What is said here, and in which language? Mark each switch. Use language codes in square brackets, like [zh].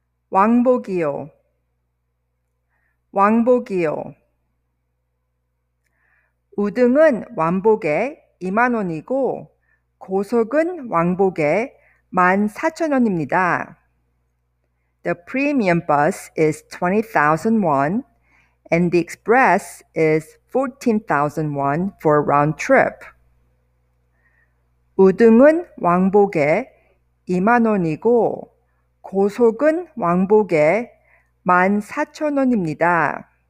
[ko] 왕복이요. 왕복이요. 우등은 왕복에 2만 원이고 고속은 왕복에 14,000원입니다. [en] The premium bus is 20,000 won. And the express is 14,000 won for a round trip. [ko] 우등은 왕복에 2만 원이고 고속은 왕복에 14,000원입니다.